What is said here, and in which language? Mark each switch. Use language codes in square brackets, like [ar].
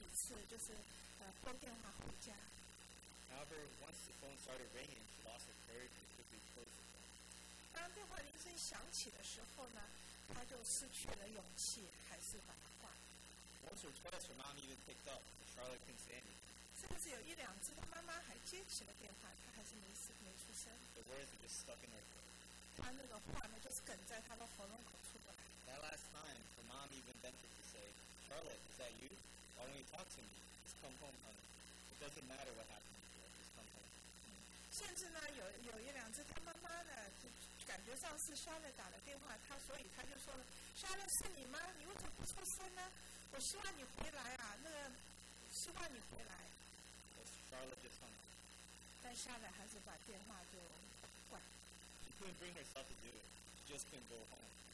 [zh] 她呢，甚至是试了好几次，就是拨电话回家。 [en] However, once the phone started ringing, she lost her courage and quickly closed the phone. [zh] 当电话铃声响起的时候呢，她就失去了勇气，还是把它挂。 [en] Once or twice, her mom even picked up, but Charlotte couldn't say anything. [zh] 甚至有一两次，她妈妈还接起了电话，她还是没出声。 [en] The words were just stuck in her throat. [zh] 他那个话呢，就是梗在他的喉咙口出不来。 [en] That last time, her mom even ventured to say, "Charlotte, is that you? Why don't you talk to me? Just come home, honey. It doesn't matter what happened before. Just come home." [zh] 甚至呢，有一两次，他妈妈呢，就感觉上次 Charlotte 打了电话，他所以他就说了，Charlotte是你吗？你为什么不出声呢？我希望你回来啊，那个希望你回来。 [en] But Charlotte just hung up. [zh] 但Charlotte还是把电话就挂了。 [en] Couldn't bring herself to do it. She just couldn't go home.